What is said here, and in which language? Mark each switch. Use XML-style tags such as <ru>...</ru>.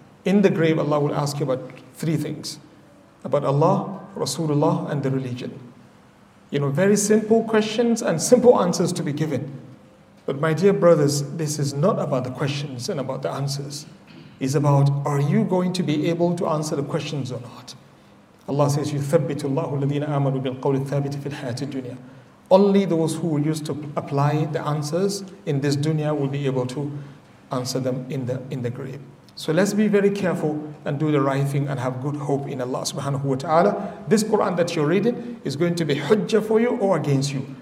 <en>In the grave, Allah will ask you about three things: about Allah, Rasulullah, and the religion. You know, very simple questions and simple answers to be given. But my dear brothers, this is not about the questions and about the answers. It's about, are you going to be able to answer the questions or not? Allah says,</en> <ar>يُثَبِّتُ اللَّهُ الَّذِينَ آمَنُوا بِالْقَوْلِ الثَّابِتِ فِي الْحَيَاةِ الدُّنْيَا.</ar> <en>Only those who used to apply the answers in this dunya will be able to answer them in the grave. So let's be very careful and do the right thing and have good hope in Allah subhanahu wa ta'ala. This Quran that you're reading is going to be hujjah for you or against you.</en>